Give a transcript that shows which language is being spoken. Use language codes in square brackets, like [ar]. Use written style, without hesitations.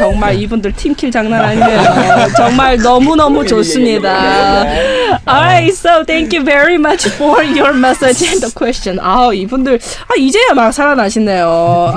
[ko] 정말 이분들 팀킬 장난 아니에요. 정말 너무너무 좋습니다. [en] Alright, so thank you very much for your message and the question. [ko] 아, 이분들 아 이제야 막 살아나시네요.